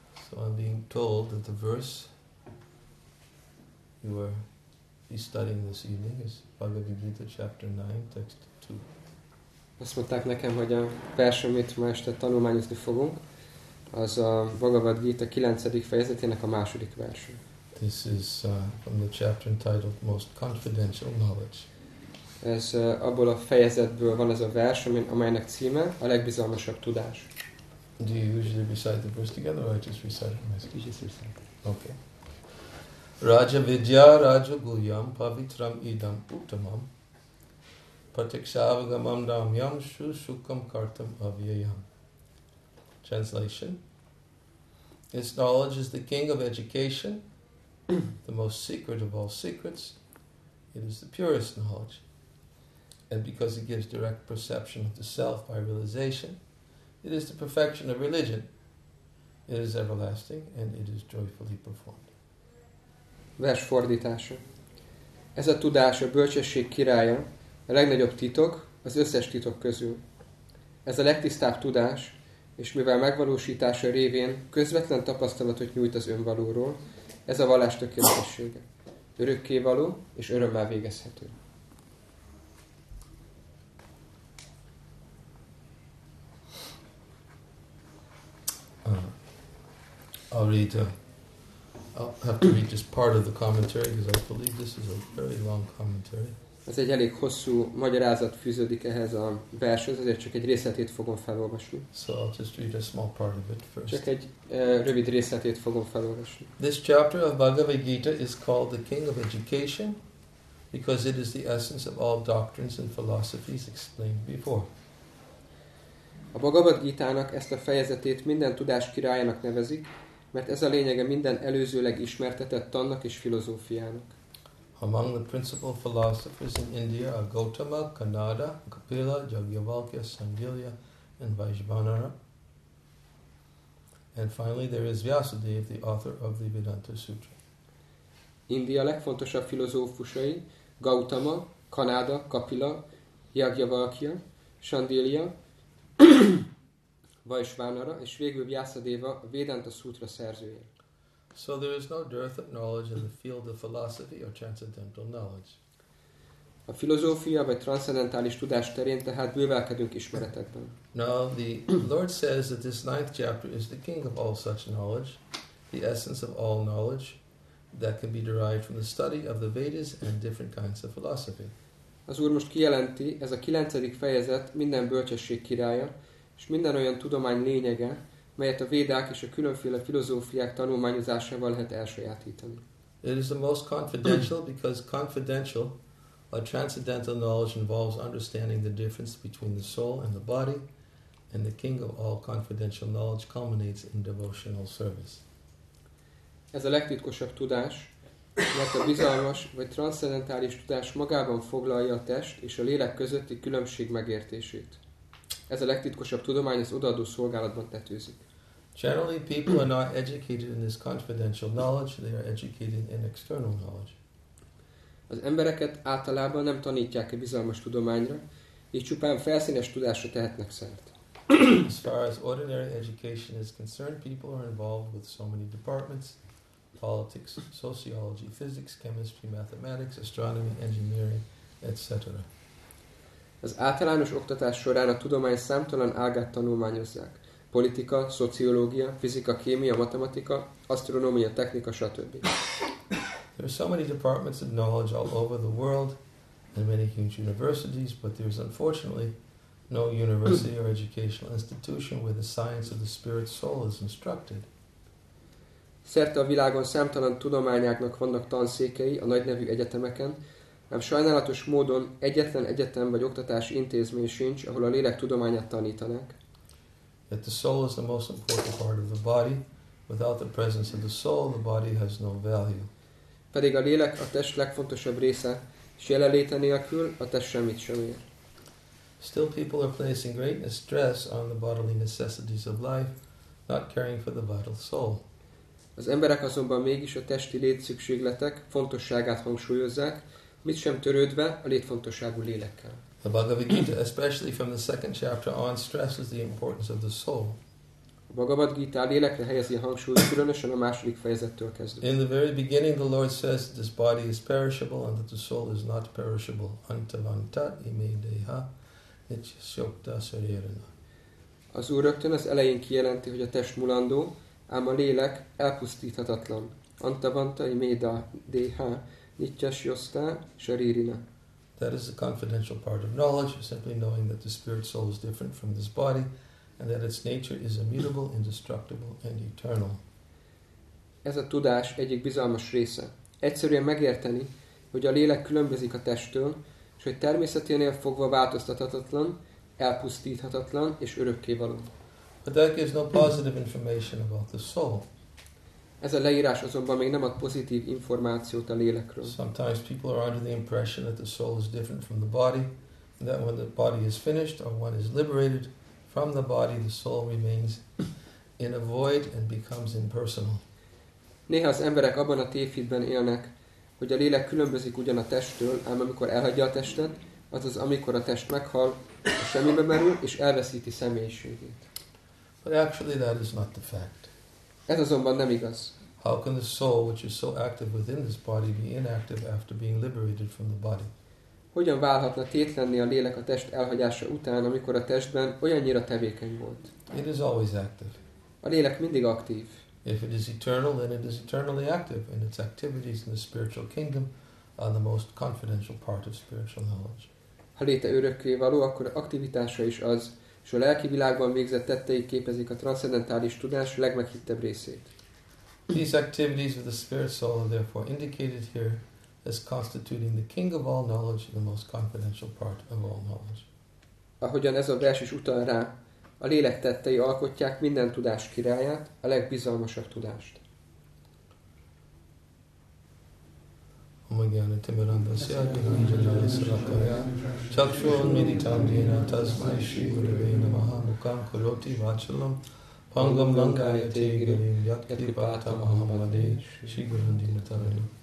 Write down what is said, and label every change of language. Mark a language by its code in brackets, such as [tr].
[en] So I'm being told that the verse you are studying this evening is Bhagavad Gita chapter 9, text 2. [hu] Azt mondták nekem, hogy a vers, amit ma este tanulmányozni fogunk, az a Bhagavad Gita 9. fejezetének a második verse. [en] This is from the chapter entitled Most Confidential Knowledge. [hu] Ez abból a fejezetből van ez a vers, amelynek címe a legbizalmasabb tudás. [en] Do you usually recite the verse together or just recite it myself? Just recite it. Okay. [sa] Raja vidya raja guhyam pavitram idam uttamam pratikshavagamam damyam shu shukam kartam avyayam. [en] Translation: this knowledge is the king of education, the most secret of all secrets. It is the purest knowledge, and because it gives direct perception of the self by realization, it is the perfection of religion. It is everlasting, and it is joyfully performed. [hu] Vers fordítása. Ez a tudás a bölcsesség királya, a legnagyobb titok az összes titok közül. Ez a legtisztább tudás, és mivel megvalósítása révén közvetlen tapasztalatot nyújt az önvalóról, ez a vallás tökéletessége. Örökkévaló és örömmel végezhető. [en] I'll have to read just part of the commentary because I believe this is a very long commentary. [hu] Ez egy elég hosszú magyarázat fűződik ehhez a vershez, ezért csak egy részletét fogom felolvasni. [en] So I'll just read a small part of it first. [hu] Csak egy rövid részletét fogom felolvasni. [en] This chapter of Bhagavad Gita is called the King of Education because it is the essence of all doctrines and philosophies explained before. [hu] A Bhagavad Gita-nak ezt a fejezetét minden tudás királyának nevezik, mert ez a lényege minden előzőleg ismertetett tannak és filozófiának. [en] Among the principal philosophers in India are Gautama, Kanada, Kapila, Yajnavalkya, Sangilya, and Vaishvanara. And finally there is Vyasadeva, the author of the Vedanta Sutra. [hu] India legfontosabb filozófusai Gautama, Kanada, Kapila, Yajnavalkya, Sangilya, Vaishvanara, és végül Vyasadeva, a Vedanta Sutra szerzője. [en] So there is no dearth of knowledge in the field of philosophy or transcendental knowledge. [hu] A filozófia vagy transzendentális tudás terén tehát bővelkedünk ismeretekben. [en] Now the Lord says that this ninth chapter is the king of all such knowledge, the essence of all knowledge that can be derived from the study of the Vedas and different kinds of philosophy. [hu] Az Úr most kijelenti, ez a 9. fejezet minden bölcsesség királya, és minden olyan tudomány lényege, melyet a védák és a különféle filozófiák tanulmányozásával lehet elsajátítani. [en] It is the most confidential because confidential, a transcendental knowledge involves understanding the difference between the soul and the body, and the king of all confidential knowledge culminates in devotional service. [hu] Ez a legtitkosabb tudás, mert a bizalmas vagy transzcendentális tudás magában foglalja a test és a lélek közötti különbség megértését. Ez a legtitkosabb tudomány az odaadó szolgálatban tetőzik. [en] Generally, people are not educated in this confidential knowledge, they are educated in external knowledge. [hu] Az embereket általában nem tanítják a bizalmas tudományra, így csupán felszínes tudásra tehetnek szert. [en] As far as ordinary education is concerned, people are involved with so many departments: politics, sociology, physics, chemistry, mathematics, astronomy, engineering, etc. [hu] Az általános oktatás során a tudomány számtalan ágát tanulmányozzák. Politika, szociológia, fizika, kémia, matematika, asztronómia, technika, stb. [en] There are so many departments of knowledge all over the world and many huge universities, but there is unfortunately no university or educational institution where the science of the spirit soul is instructed. [hu] Szerte a világon számtalan tudományágnak vannak tanszékei a nagynevű egyetemeken, ám sajnálatos módon egyetlen egyetem vagy oktatási intézmény sincs, ahol a lélek tudományát tanítanák. [en] Yet the soul is the most important part of the body, Without the presence of the soul, the body has no value. [hu] Pedig a lélek a test legfontosabb része, és jelenléte nélkül a test semmit sem ér. [en] Still people are placing great stress on the bodily necessities of life, not caring for the vital soul. [hu] Az emberek azonban mégis a testi létszükségletek fontosságát hangsúlyozzák, mit sem törődve a létfontosságú lélekkel. [en] The Bhagavad Gita, especially from the second chapter on, stresses the importance of the soul. [hu] A Bhagavad Gita lélekre helyezi a hangsúlyt, különösen a második fejezettől kezdve. [en] In the very beginning, the Lord says that this body is perishable and that the soul is not perishable. [sa] Antavanta ime deha nitya shokta sarirana. [hu] Az Úr rögtön az elején kijelenti, hogy a test mulandó, ám a lélek elpusztíthatatlan. [sa] Antavanta ime deha nitya shokta sarirana. [en] That is the confidential part of knowledge, simply knowing that the spirit soul is different from this body, and that its nature is immutable, indestructible, and eternal. [hu] Ez a tudás egyik bizalmas része. Egyszerűen megérteni, hogy a lélek különbözik a testtől, és hogy természeténél fogva változtathatatlan, elpusztíthatatlan és örökkévaló. [en] But that gives no positive information about the soul. [hu] Ez a leírás azonban még nem ad pozitív információt a lélekről. [en] Sometimes people are under the impression that the soul is different from the body, and that when the body is finished or one is liberated from the body, the soul remains in a void and becomes impersonal. [hu] Néha az emberek abban a tévhitben élnek, hogy a lélek különbözik ugyan a testtől, ám amikor elhagyja a testet, azaz amikor a test meghal, a semmibe merül és elveszíti személyiségét. [en] But actually that is not the fact. [hu] Ez azonban nem igaz. [en] How can the soul, which is so active within this body, be inactive after being liberated from the body? [hu] Hogyan válhatna tétlenni a lélek a test elhagyása után, amikor a testben olyannyira tevékeny volt? [en] It is always active. [hu] A lélek mindig aktív. [en] If it is eternal, then it is eternally active in its activities in the spiritual kingdom, on the most confidential part of spiritual knowledge. [hu] Ha léte örökké való, akkor aktivitása is az, és a lelki világban végzett tettei képezik a transzcendentális tudás legmeghittebb részét. [en] These activities of the spirit soul are therefore indicated here as constituting the king of all knowledge, the most confidential part of all knowledge. [hu] Ahogyan ez a vers is utal rá, a lélek tettei alkotják minden tudás királyát, a legbizalmasabb tudást. [sa] Omagyana Timurandasya Gyanjanaya Sarakaya Chakshon Miditam Dena Tasmai Shri Gurave Namaha Mukam Kuroti Vachalam Pangam Langaya Tegirin Yatkati Patam Ahamade Shri Gurandina Tarayu